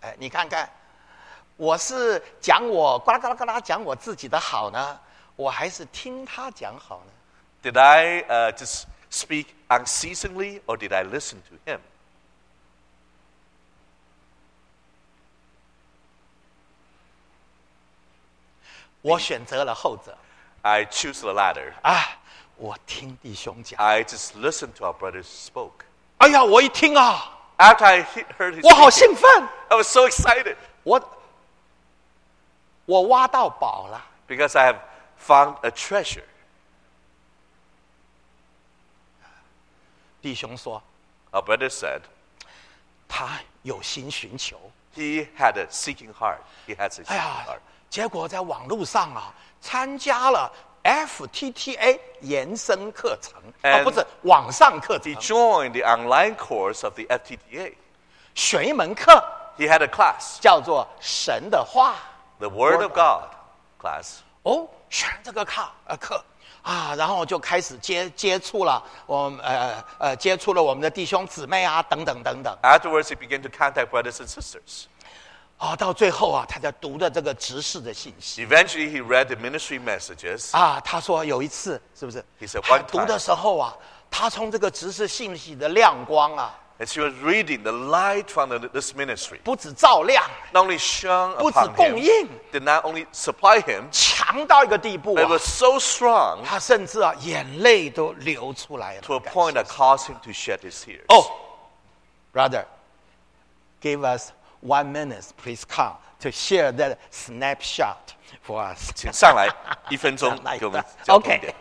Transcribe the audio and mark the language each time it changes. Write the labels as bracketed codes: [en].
[zh] 你看看，我是讲我呱啦呱啦呱啦讲我自己的好呢，我还是听他讲好呢 [en] ？Did I just speak unceasingly or did I listen to him？ [zh] 我选择了后者。 [en] I choose the latter。 [zh] 我听弟兄讲 [en] I just listened to our brothers spoke [zh] 我一听啊 [en] After I heard his [zh] 我好兴奋 [en] I was so excited [zh] 我挖到宝了 [en] Because I have found a treasure [zh] 弟兄说 [en] Our brother said [zh] 他有心寻求 [en] He had a seeking heart He has a seeking heart [zh] 结果在网路上啊参加了FTTA 延伸课程、 [en] And、 [zh] 不是网上课程 [en] He joined the online course of the FTTA [zh] 选一门课 [en] He had a class [zh] 叫做神的话 [en] The Word of God class [zh] 选这个课然后就开始接触了接触了我们的弟兄姊妹等等 [en] Afterwards he began to contact brothers and sisters [zh] 到最后他在读的这个执事的信息。 [en] Eventually he read the ministry messages. [zh] 他说有一次是不是 [en] He said one time. [zh] 读的时候他从这个执事信息的亮光 [en] And she was reading the light from the, this ministry. [zh] 不止照亮, [en] not only shone upon [zh] 不止供应, [en] him, did not only supply him, [zh] 强到一个地步, [en] but it was so strong, [zh] 他甚至啊, 眼泪都流出来了, [en] to a point that caused him to shed his tears. Oh, brother, give us 1 minute, please come, to share that snapshot for us. [zh] 请上来一分钟给我们交通一点,